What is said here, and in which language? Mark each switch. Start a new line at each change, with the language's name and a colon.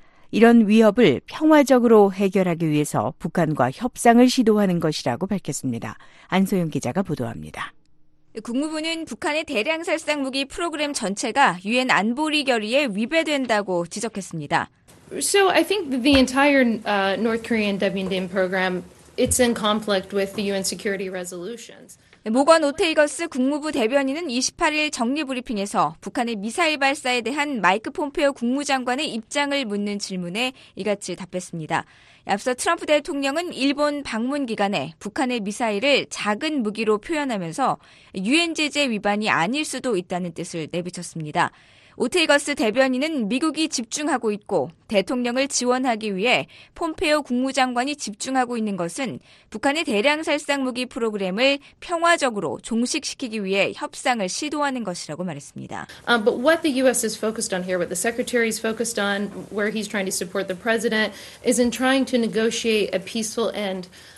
Korean: 이런 위협을 평화적으로 해결하기 위해서 북한과 협상을 시도하는 것이라고 밝혔습니다. 안소영 기자가 보도합니다. 국무부는 북한의 대량 살상 무기 프로그램 전체가 유엔 안보리 결의에 위배된다고 지적했습니다.
English: So I think the entire North Korean WMD program it's in conflict with the UN security resolutions.
Korean: 모건 오테이거스 국무부 대변인은 28일 정례 브리핑에서 북한의 미사일 발사에 대한 마이크 폼페오 국무장관의 입장을 묻는 질문에 이같이 답했습니다. 앞서 트럼프 대통령은 일본 방문 기간에 북한의 미사일을 작은 무기로 표현하면서 유엔 제재 위반이 아닐 수도 있다는 뜻을 내비쳤습니다. 오테이거스 대변인은 미국이 집중하고 있고 대통령을 지원하기 위해 폼페오 국무장관이 집중하고 있는 것은 북한의 대량 살상 무기 프로그램을 평화적으로 종식시키기 위해 협상을 시도하는 것이라고 말했습니다.
English: But what the U.S. is focused on here, what the Secretary is focused on, where he's trying to support the President, is in trying to negotiate a peaceful end.